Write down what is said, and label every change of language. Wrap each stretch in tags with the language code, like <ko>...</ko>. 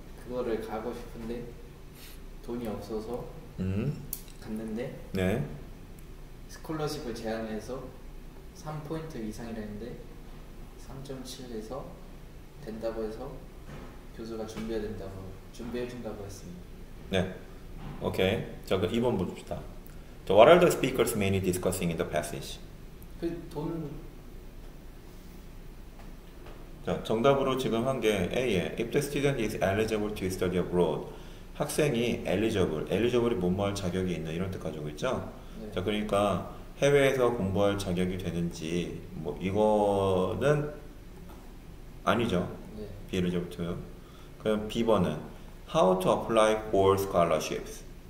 <ko>그거를 가고 싶은데 돈이 없어서. 갔는데. 네. 스콜러십을 제안해서 3포인트 이상이라는데 3.7에서 된다고 해서 교수가 준비해준다고 했습니다. 네. 오케이. 자, 그 2번 봅시다.</ko> <en>So what are the speakers mainly discussing in the passage?</en> <ko>그 돈. 자, 정답으로 지금 한 게 A에</ko> <en>If the student is eligible to study abroad.</en> <ko>학생이 eligible. Eligible이 뭔말 자격이 있는 이런 뜻 가지고 있죠? 네. 자, 그러니까 해외에서 공부할 자격이 되는지 뭐 이거는 아니죠. 네.</ko> <en>Be eligible to.</en> <ko>그럼 B번은</ko> <en>How to apply for scholarships?</en>